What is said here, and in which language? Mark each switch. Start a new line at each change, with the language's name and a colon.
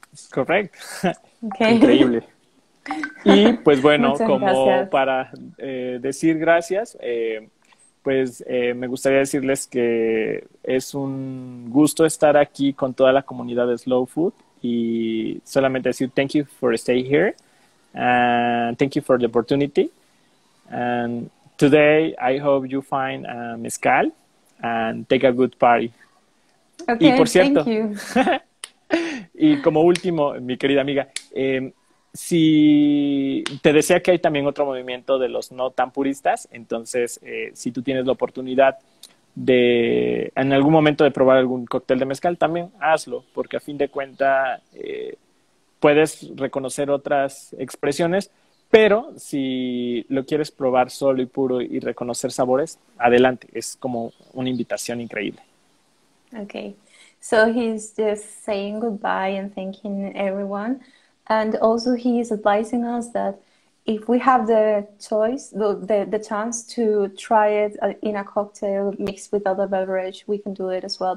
English: Correct.
Spanish: Okay. Increíble. Y pues bueno, como para decir gracias, pues me gustaría decirles que es un gusto estar aquí con toda la comunidad de Slow Food y solamente decir
English: thank you for stay here and thank you for the opportunity. And today I hope you find a mezcal and take a good party.
Spanish: Okay, y por cierto,
English: thank you.
Spanish: Y como último, mi querida amiga, si te decía que hay también otro movimiento de los no tan puristas, entonces si tú tienes la oportunidad de en algún momento de probar algún cóctel de mezcal, también hazlo, porque a fin de cuenta puedes reconocer otras expresiones, pero si lo quieres probar solo y puro y reconocer sabores, adelante, es como una invitación increíble.
English: Okay, so he's just saying goodbye and thanking everyone. And also he is advising us that if we have the choice, the chance to try it in a cocktail mixed with other beverage, we can do it as well.